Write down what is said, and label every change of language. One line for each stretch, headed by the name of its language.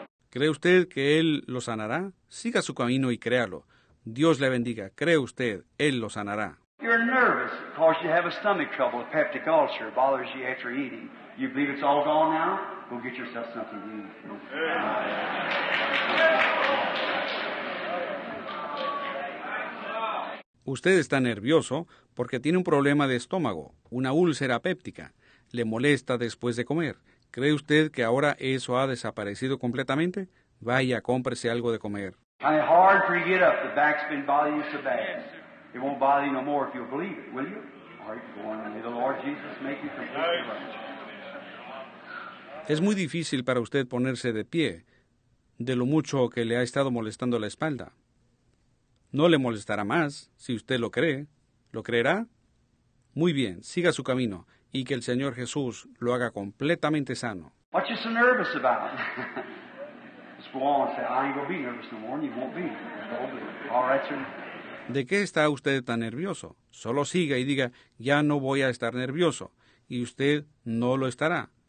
Spanish: ¿Cree usted que Él lo sanará? Siga su camino y créalo. Dios le bendiga. ¿Cree usted? Él lo sanará.
English: You're nervous because you have a stomach trouble, a peptic ulcer bothers you after eating. You believe it's all gone now? Go get yourself something to eat.
Spanish: Usted está nervioso porque tiene un problema de estómago, una úlcera péptica. Le molesta después de comer. ¿Cree usted que ahora eso ha desaparecido completamente? Vaya, cómprese algo de comer.
English: Kind of hard for you to get up. The back's been bothering you so bad. It won't bother you no more if you'll believe it, will you? All right, go on. May the Lord Jesus make you completely right.
Spanish: Es muy difícil para usted ponerse de pie, de lo mucho que le ha estado molestando la espalda. No le molestará más, si usted lo cree. ¿Lo creerá? Muy bien, siga su camino y que el Señor Jesús lo haga completamente sano.
English: What you so nervous about? Just go on and say, I ain't gonna be nervous no more, and you won't be. All right, sir.
Spanish: ¿De qué está usted tan nervioso? Solo siga y diga, ya no voy a estar nervioso, y usted no lo estará.